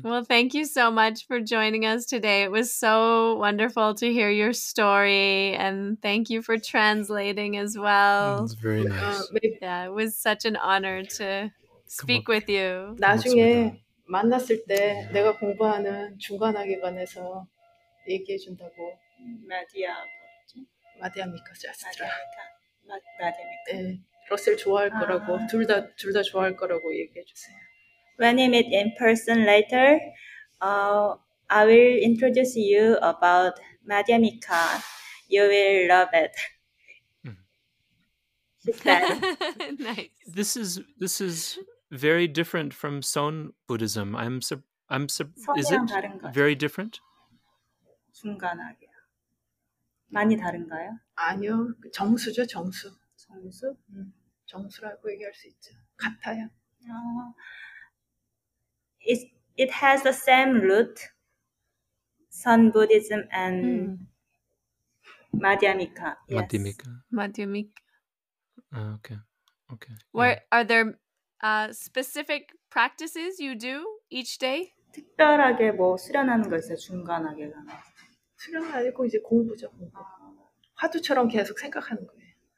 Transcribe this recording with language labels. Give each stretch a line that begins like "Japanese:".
English: Well, thank you so much for joining us today. It was so wonderful to hear your story, and thank you for translating as well. That's very nice. Yeah, it was such an honor to speak with you.
Korean: 나중에 만났을 때 내가 공부하는 중간학에 관해서 얘기해 준다고. 마디아 마디아미카 자스트라. 마디아미카. 러셀 좋아할 거라고 둘 다 좋아할 거라고 얘기해 주세요.
English: When I meet in person later, I will introduce you about Madhyamika. You will love it. Mm. She said. Nice. This is very different from Seon Buddhism. Is it very different?
Korean: 중간학이야. 많이 다른가요? 아니요. 정수죠, 정수. 정수? 정수라고 얘기할 수 있죠. 같아요.
English: It has the same root, Sun Buddhism and Madhyamika. Yes. Madhyamika. Okay. Are there specific practices you do each day?
Korean: 특별하게 뭐 수련하는 거 있어요? 중간하게 가나? 수련은 아니고 이제 공부죠. 화두처럼 계속 생각하는 거예요.